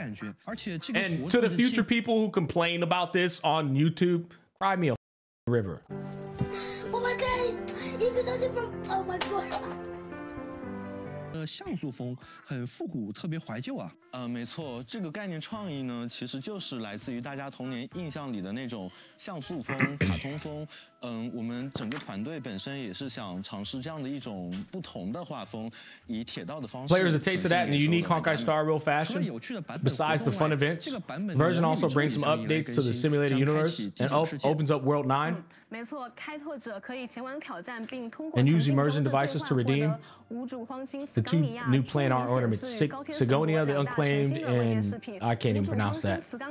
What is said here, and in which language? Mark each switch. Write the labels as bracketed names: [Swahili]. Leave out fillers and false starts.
[English] And to the future people who complain about this on YouTube, cry me a river. Oh my god, even though it's from, oh my god. [Chinese] 像素风很复古，特别怀旧啊。没错，这个概念创意呢，其实就是来自于大家童年印象里的那种像素风、卡通风。我们整个团队本身也是想尝试这样的一种不同的画风，以铁道的方式。 [English] Players a taste of that in the unique Honkai Star Rail fashion. Besides the fun events, version also brings some updates to the simulated universe and opens up World 9. [Chinese] 没错，开拓者可以前往挑战，并通过 [English] use immersion devices to redeem the two new plant art ornaments, Sigonia the Unclaimed, and I can't even pronounce that.